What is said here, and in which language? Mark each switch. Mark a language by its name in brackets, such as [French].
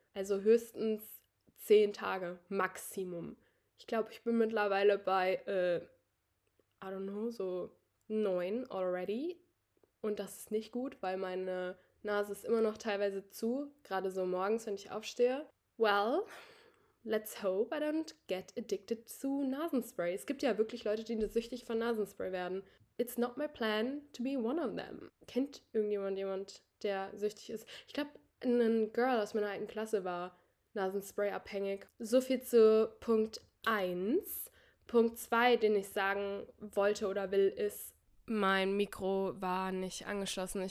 [German] Also höchstens 10 Tage Maximum. Ich glaube, ich bin mittlerweile bei, [English] I don't know, [German] so 9 already. Und das ist nicht gut, weil meine Nase ist immer noch teilweise zu, gerade so morgens, wenn ich aufstehe. [English] Well, let's hope I don't get addicted to Nasenspray. [German] Es gibt ja wirklich Leute, die süchtig von Nasenspray werden. [English] It's not my plan to be one of them. [German] Kennt irgendjemand, der süchtig ist? Ich glaube, ein Girl aus meiner alten Klasse war Nasenspray-abhängig. So viel zu Punkt 1. Punkt 2, den ich sagen wollte oder will, ist, mein Mikro war nicht angeschlossen.